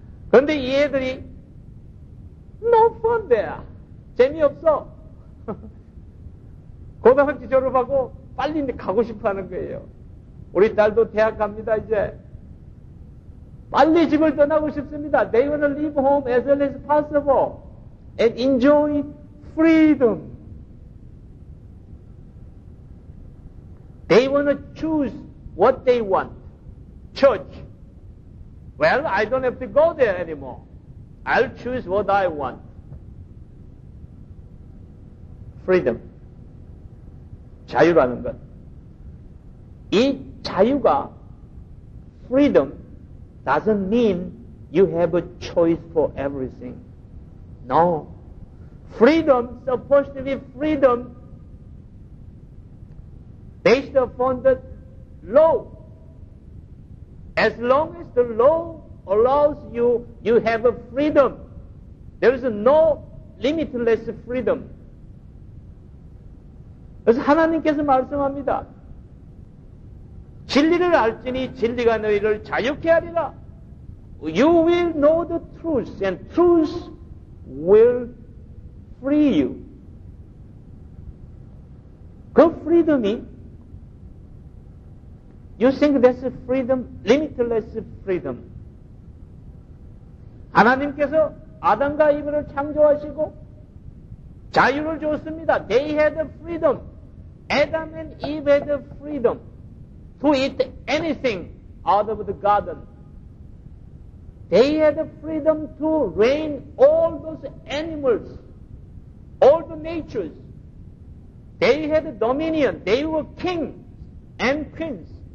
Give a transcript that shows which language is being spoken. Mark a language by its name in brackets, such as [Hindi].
[Korean] 그런데 이 애들이 [English] no fun there. [Korean] 재미없어. 고등학교 졸업하고 빨리 가고 싶어하는 거예요. 우리 딸도 대학 갑니다. 이제 빨리 집을 떠나고 싶습니다. [English] They want to leave home as early as possible and enjoy freedom. They want to choose what they want. Church. Well, I don't have to go there anymore. I'll choose what I want. Freedom. [Korean] 자유라는 것. 이 자유가 [English] freedom doesn't mean you have a choice for everything. No. Freedom, supposed to be freedom, based upon the law. As long as the law allows you, you have a freedom. There is no limitless freedom. [Korean] 그래서 하나님께서 말씀합니다. 진리를 알지니 진리가 너희를 자유케 하리라. [English] You will know the truth and truth will free you. [Korean] 그 freedom이 [English] You think that's freedom, limitless freedom. [Korean] 하나님께서 아담과 이브를 창조하시고 자유를 줬습니다. [English] They had freedom. Adam and Eve had freedom to eat anything out of the garden. They had freedom to reign all those animals, all the natures. They had dominion. They were kings and queens.